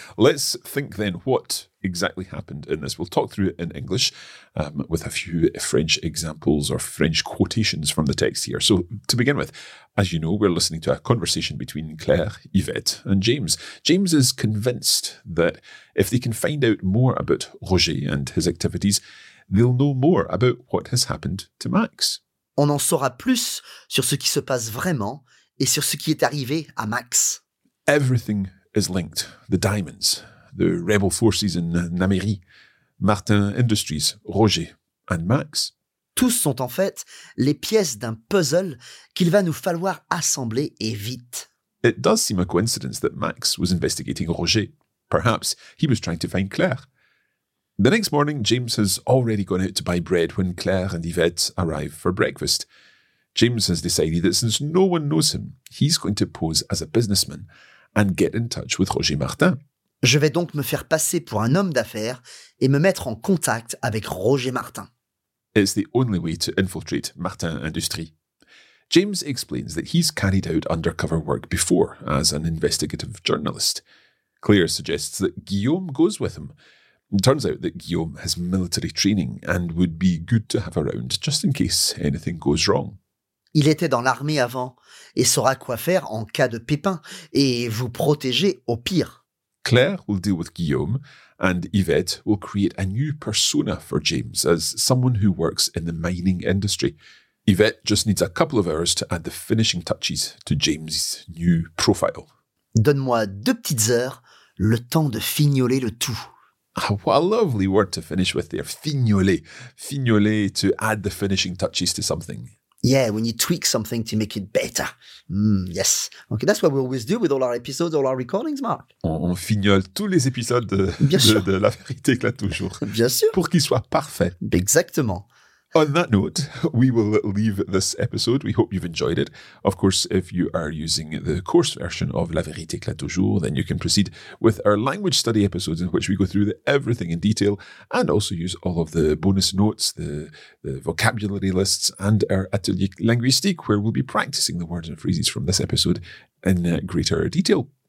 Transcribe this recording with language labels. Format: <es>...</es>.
<en>Let's think then what exactly happened in this. We'll talk through it in English with a few French examples or French quotations from the text here. So to begin with, as you know, we're listening to a conversation between Claire, Yvette and James. James is convinced that if they can find out more about Roger and his activities, they'll know more about what has happened to Max.</en> <fr>On en saura plus sur ce qui se passe vraiment et sur ce qui est arrivé à Max.</fr> <en>Everything is linked. The diamonds, the rebel forces in Namery, Martin Industries, Roger and Max.</en> <fr>Tous sont en fait les pièces d'un puzzle qu'il va nous falloir assembler et vite.</fr> <en>It does seem a coincidence that Max was investigating Roger. Perhaps he was trying to find Claire. The next morning, James has already gone out to buy bread when Claire and Yvette arrive for breakfast. James has decided that since no one knows him, he's going to pose as a businessman and get in touch with Roger Martin.</en> <fr>Je vais donc me faire passer pour un homme d'affaires et me mettre en contact avec Roger Martin.</fr> <en>It's the only way to infiltrate Martin Industries. James explains that he's carried out undercover work before as an investigative journalist. Claire suggests that Guillaume goes with him. It turns out that Guillaume has military training and would be good to have around just in case anything goes wrong.</en> <fr>Il était dans l'armée avant et saura quoi faire en cas de pépin et vous protéger au pire.</fr> <en>Claire will deal with Guillaume and Yvette will create a new persona for James as someone who works in the mining industry. Yvette just needs a couple of hours to add the finishing touches to James' new profile.</en> <fr>Donne-moi deux petites heures, le temps de fignoler le tout.</fr> <en>What a lovely word to finish with there, fignoler. Fignoler, to add the finishing touches to something. Yeah, when you tweak something to make it better. Yes. Okay, that's what we always do with all our episodes, all our recordings, Mark.</en> <fr>On fignole tous les épisodes de La Vérité éclate toujours. Bien sûr. Pour qu'ils soient parfaits. Exactement.</fr> <en>On that note, we will leave this episode. We hope you've enjoyed it. Of course, if you are using the course version of La Vérité éclate toujours, then you can proceed with our language study episodes in which we go through everything in detail and also use all of the bonus notes, the vocabulary lists and our Atelier Linguistique, where we'll be practicing the words and phrases from this episode in greater detail.</en>